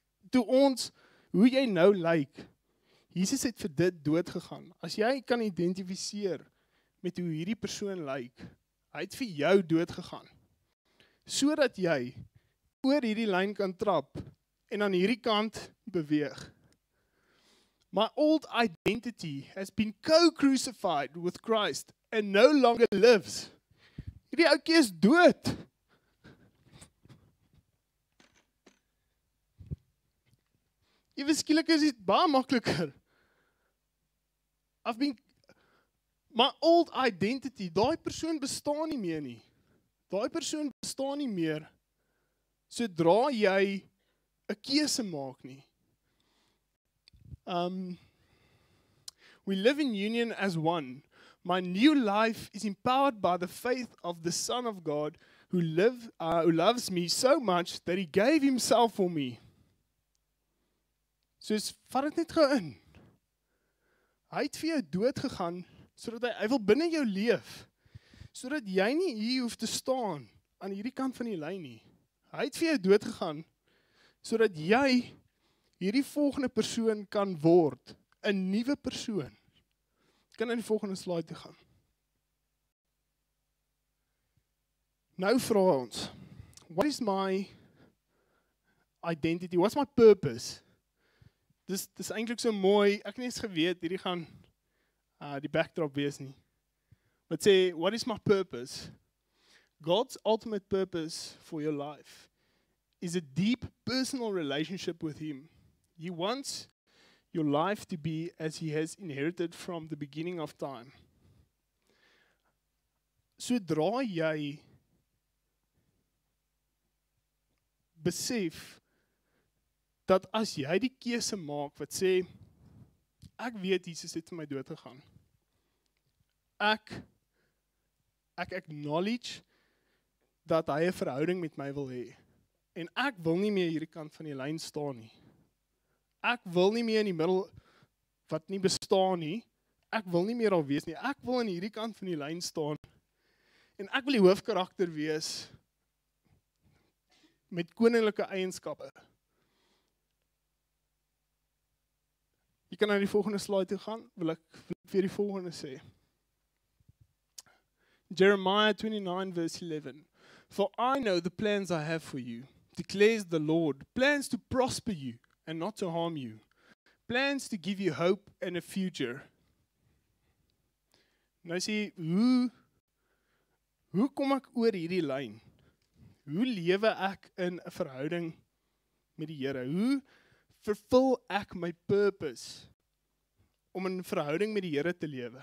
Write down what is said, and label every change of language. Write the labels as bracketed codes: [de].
[af] Toe ons, hoe jy nou lyk, Jesus het vir dit dood gegaan. As jy kan identifiseer met hoe hierdie persoon lyk, hy het vir jou dood gegaan. Sodat jy oor hierdie lyn kan trap en aan hierdie kant beweeg. [en] My old identity has been co-crucified with Christ and no longer lives. [af] Hierdie oukie is dood. Eweskielik is dit baie makliker. My old identity, daai persoon bestaan nie meer nie. Daai persoon bestaan nie meer sodra jy 'n keuse maak nie. [en] We live in union as one. My new life is empowered by the faith of the Son of God who loves me so much that he gave himself for me. [af] Soos, vat dit net gou in. Hy het vir jou dood gegaan sodat hy wil binne jou leef. Sodat jy nie hier hoef te staan aan hierdie kant van die lyn nie. Hy het vir jou dood gegaan sodat jy hierdie volgende persoon kan word, 'n nuwe persoon. Kan in die volgende slide toe gaan. Nou vra ons, [en] what is my identity? What's my purpose? [af] Dis eintlik so mooi, ek nie eens geweet, hierdie gaan die backdrop wees nie. [en] But say, what is my purpose? God's ultimate purpose for your life is a deep personal relationship with him. He wants your life to be as he has inherited from the beginning of time. [af] Sodra jy besef dat as jy die keuse maak wat sê, ek weet Jesus het vir my dood gegaan. Ek acknowledge dat hy 'n verhouding met my wil hê. En ek wil nie meer hierdie kant van die lyn staan nie. Ek wil nie meer in die middel wat nie bestaan nie. Ek wil nie meer al wees nie. Ek wil aan hierdie kant van die lyn staan. En ek wil die hoofkarakter wees met koninklike eienskappe. Jy kan na die volgende slide toe gaan, wil ek vir die volgende sê. [en] Jeremiah 29 verse 11. For I know the plans I have for you, declares the Lord, plans to prosper you and not to harm you. Plans to give you hope and a future. [af] Nou sê, hoe kom ek oor hierdie lyn? Hoe lewe ek in 'n verhouding met die Here? Hoe vervul ek my purpose om in 'n verhouding met die Here te lewe?